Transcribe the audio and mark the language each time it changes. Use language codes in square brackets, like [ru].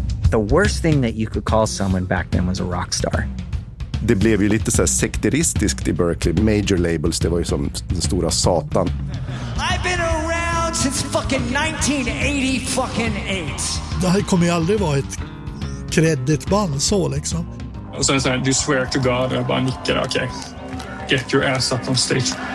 [en] The worst thing that you could call someone back then was a rock star. [sv] Det blev ju lite så här sekteristiskt i Berkeley. Major labels, det var ju som den stora satan. [en] I've been around since fucking 1980. [sv] Det här kommer ju aldrig vara ett kreditband så liksom. Och sen så här, [en] do you swear to God? [sv] Och jag bara nickade, okej. Okay. [en] Get your ass up on stage.